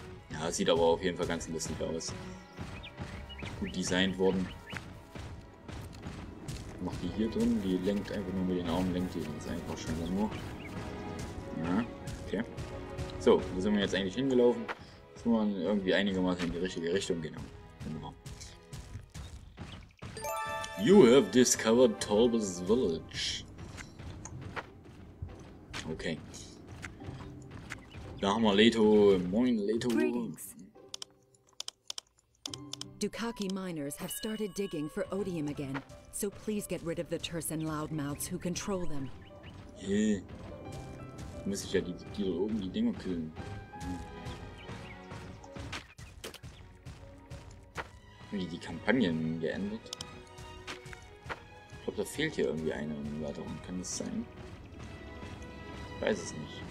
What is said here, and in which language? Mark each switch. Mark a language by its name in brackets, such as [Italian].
[German] Ja, sieht aber auf jeden Fall ganz lustig aus. Gut designt worden. Ich mach die hier drin, die lenkt einfach nur mit den Armen, lenkt die jetzt einfach schon nur. Ja, okay. So, wo sind wir jetzt eigentlich hingelaufen? Jetzt muss man irgendwie einigermaßen in die richtige Richtung gehen. Wunderbar. [English] You have discovered Talbot's Village. Okay. [German] Da haben wir Leto. Moin, Leto. [English] Greetings. Dukaki miners have started digging for Odium again. So please get rid of the terse and loudmouths who control them. Yeah. [German] Muss ich ja die da oben die Dinger killen. Wie die Kampagnen geändert. Ich glaube, da fehlt hier irgendwie eine Erweiterung. Kann das sein? Ich weiß es nicht.